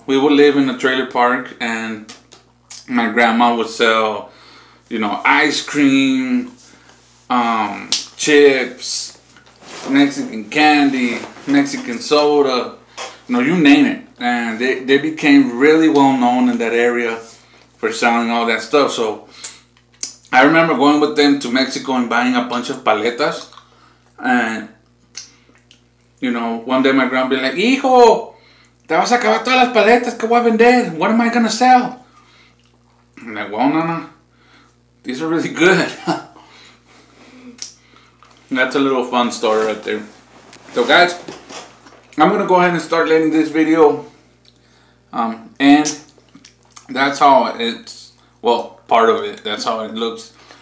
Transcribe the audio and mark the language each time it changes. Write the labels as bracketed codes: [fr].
[en] We would live in a trailer park and my grandma would sell, you know, ice cream, chips, Mexican candy, Mexican soda, you know, you name it. And they became really well known in that area for selling all that stuff. So I remember going with them to Mexico and buying a bunch of paletas. And, you know, one day my grandma be like, [es] hijo, te vas a acabar todas las paletas que voy a vender. [en] What am I going to sell? I'm like, well, nana, these are really good. That's a little fun story right there. So, guys, I'm going to go ahead and start letting this video end. That's how it's, well, part of it. That's how it looks.